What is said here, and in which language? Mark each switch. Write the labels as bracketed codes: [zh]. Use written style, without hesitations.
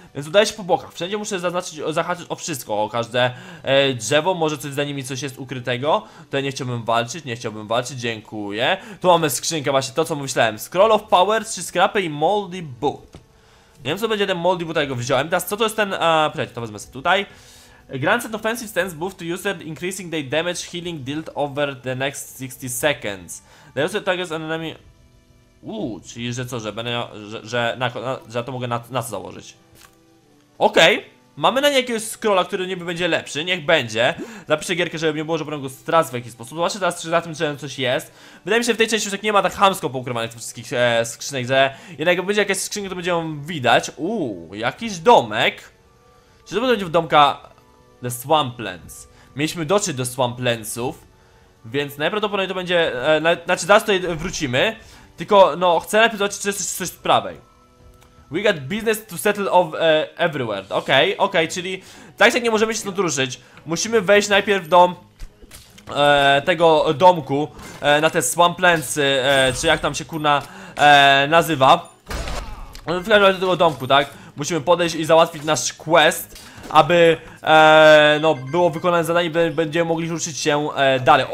[pl] Więc udaję się po bokach, wszędzie muszę zaznaczyć, zahaczyć o wszystko, o każde drzewo, może coś za nimi coś jest ukrytego. Tutaj nie chciałbym walczyć, nie chciałbym walczyć, dziękuję. Tu mamy skrzynkę, właśnie to co myślałem, Scroll of Power, 3 skrapy i Moldy Boot. Nie wiem co będzie ten Moldy Boot, tego wziąłem, teraz co to jest ten, to wezmę sobie tutaj. [en] Grants an offensive stance buff to user, increasing their damage healing dealt over the next 60 seconds. The user targets an enemy. [pl] Czyli że co, że będę, że to mogę na co założyć. Okej, okay. Mamy na niej jakiegoś scrolla, który niby będzie lepszy, niech będzie. Napiszę gierkę, żeby nie było, żeby go strac w jakiś sposób. Zobaczcie teraz, czy za tym czynem coś jest. Wydaje mi się, że w tej części już tak nie ma tak chamsko poukrywanych wszystkich skrzynek, że jednak jak będzie jakaś skrzynka, to będzie ją widać. Jakiś domek. Czy to będzie w domka The Swamplands? Mieliśmy dotrzeć do Swamplandsów, więc najprawdopodobniej to będzie, znaczy zaraz tutaj wrócimy. Tylko, no, chcę najpierw zobaczyć, czy jest coś z prawej. [en] We got business to settle of everywhere. [pl] Okej, okay, okej, okay, czyli tak jak nie możemy się stąd ruszyć. Musimy wejść najpierw do tego domku na te swamplancy, czy jak tam się kurna nazywa. W każdym razie do tego domku, tak? Musimy podejść i załatwić nasz quest, aby no, było wykonane zadanie i będziemy mogli ruszyć się dalej.